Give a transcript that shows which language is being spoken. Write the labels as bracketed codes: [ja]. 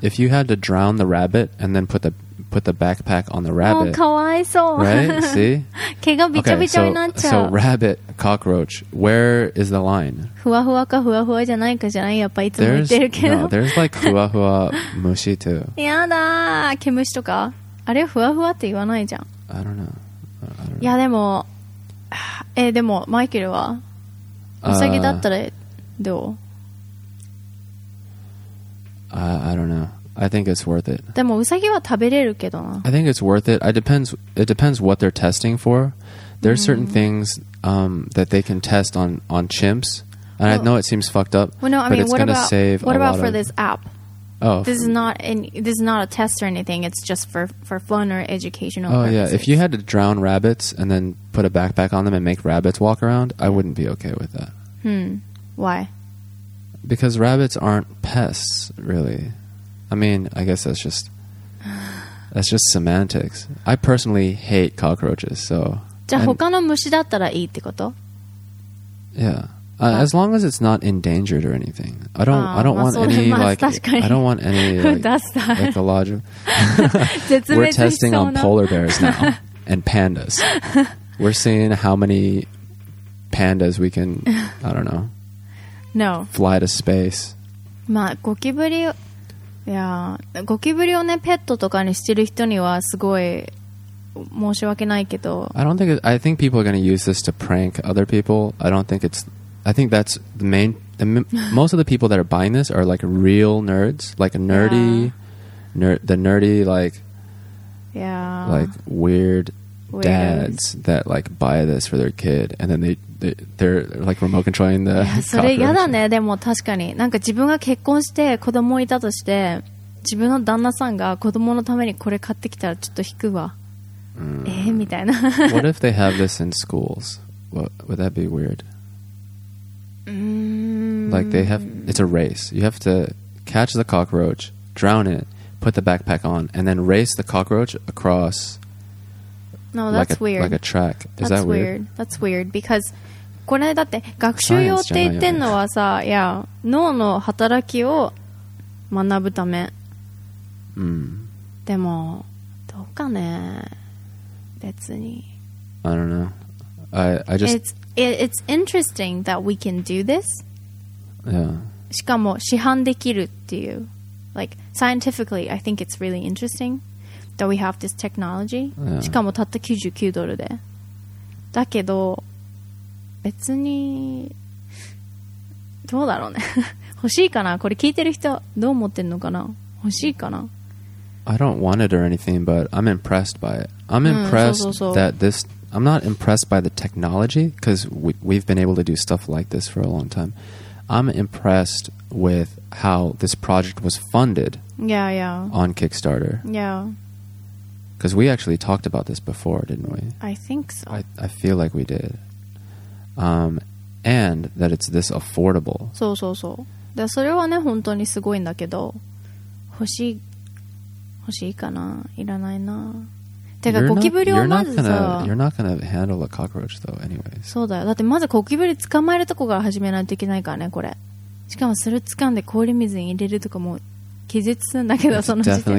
[en] If you had to drown the rabbit and then put the put the backpack on the rabbit. [ja] Oh, かわいそう。 [en] Right? See? [ja] 毛がびちゃびちゃになっちゃう。 [en] So rabbit, cockroach, where is the line? [ja] ふわふわかふわふわじゃないかじゃない。やっぱいつも言ってるけど。 [en] No, there's like [ja] ふわふわ虫 [en] too. [ja] やだ。毛虫とか。あれふわふわって言わないじゃん。 [en] I don't know. [ja] いやでも、でもマイケルは、ウサギだったらどう？ [en] I don't know. I think it's worth it. [ja] でもウサギは食べれるけどな。 [en] I think it's worth it. It depends what they're testing for. There are certain things that they can test on chimps. And I know it seems fucked up. Well, no, I mean, but it's going to save a lot of... What about for this app? Oh. This is not a test or anything. It's just for fun or educational purposes. Oh, yeah. If you had to drown rabbits and then put a backpack on them and make rabbits walk around, I wouldn't be okay with that. Why? Because rabbits aren't pests, really. I mean, I guess that's just semantics. I personally hate cockroaches, so... [ja] じゃあ他の虫だったらいいってこと? [en] Yeah. As long as it's not endangered or anything. I don't want any ecological... We're testing on polar bears now. And pandas. We're seeing how many pandas we can... I don't know. No. Fly to space. [ja] まあゴキブリを、いやゴキブリをねペットとかにしてる人にはすごい申し訳ないけど。 [en] I think people are going to use this to prank other people. I think that's the main. Most of the people that are buying this are like real nerds, like nerdy, yeah. The nerdy like, yeah, like weird dads that like buy this for their kid, and then they're like remote controlling the [ja] それ嫌だね。でも確かになんか自分が結婚して子供いたとして自分の旦那さんが子供のためにこれ買ってきたらちょっと引くわ、みたいな。 [en] What if they have this in schools? Would that be weird? Like they have, it's a race. You have to catch the cockroach, drown it, put the backpack on, and then race the cockroach across. No, that's like a, weird. Like a track. Is that weird? That's weird because. [ja] これだって学習用って言ってんのはさ、いや、脳の働きを学ぶため。でもどうかね、別に。 [en] I don't know. I just it's interesting that we can do this. Yeah. [ja] しかも市販できるっていう、 [en] like scientifically, I think it's really interesting that we have this technology.、 Yeah. [ja] しかもたった99ドルで。だけど。別にどうだろうね。欲しいかな。これ聞いてる人どう思ってんのかな。欲しいかな。 [en] I don't want it or anything, but I'm impressed by it. I'm impressed that this. I'm not impressed by the technology because we've been able to do stuff like this for a long time. I'm impressed with how this project was funded. Yeah, yeah. On Kickstarter. Yeah. Because we actually talked about this before, didn't we? I think so. I feel like we did. And that it's this affordable. [ja] そうそうそう。で、それはね、本当にすごいんだけど、欲しいかな、いらないな。てか、ゴキブリはまずさ、 [en] You're not gonna handle a cockroach though, anyways. [ja] そうだよ。だってまずゴキブリ捕まえるとこから始めないといけないからね、これ。しかもそれ掴んで氷水に入れるとかも気絶するんだけど、その時点。